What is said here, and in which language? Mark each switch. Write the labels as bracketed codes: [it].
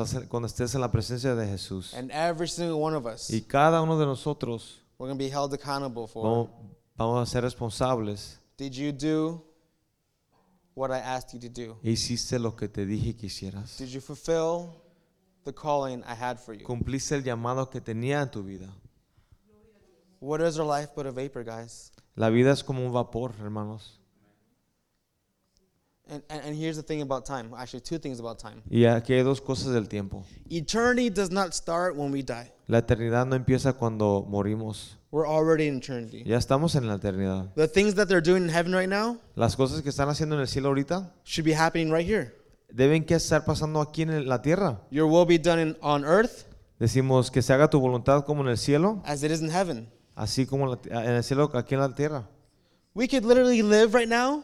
[es] cuando estés en la presencia de Jesús, [en] and every single one of us, [es] y cada uno de nosotros, [en] we're going to be held accountable for, [es] vamos a ser responsables. [en] Did you do what I asked you to do? [es] ¿Hiciste lo que te dije que hicieras? [en] Did you fulfill the calling I had for you? [es] ¿Cumpliste el llamado que tenía en tu vida? [en] What is our life but a vapor, guys? [es] La vida es como un vapor, hermanos. [en] And here's the thing about time. Actually, two things about time. [es] Y aquí hay dos cosas del tiempo. [en] Eternity does not start when we die. [es] La eternidad no empieza cuando morimos. [en] We're already in eternity. [es] Ya estamos en la eternidad. [en] The things that they're doing in heaven right now. [es] Las cosas que están haciendo en el cielo ahorita. [en] Should be happening right here. [es] Deben que estar pasando aquí en la tierra. [en] Your will be done on earth. [es] Decimos que se haga tu voluntad como en el cielo. [en] As it is in heaven. [es] Así como en el cielo aquí en la tierra. [en] We could literally live right now.